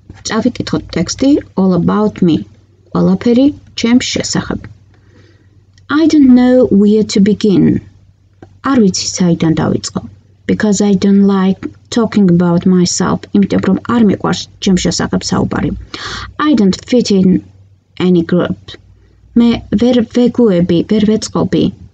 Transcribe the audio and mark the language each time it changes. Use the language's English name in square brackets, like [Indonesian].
[Georgian] წავიკითხოთ ტექსტი [English] All About Me, [Georgian] ყველაფერი ჩემს შესახებ. [English] I don't know where to begin. [Georgian] არ ვიცი საიდან დავიწყო. [English] Because I don't like talking about myself, [Georgian] იმიტომ რომ არ მეყვარს ჩემს შესახებ საუბარი. [English] I don't fit in any group. [Georgian] მე ვერ ვეგუები, ვერ ვეწყობი.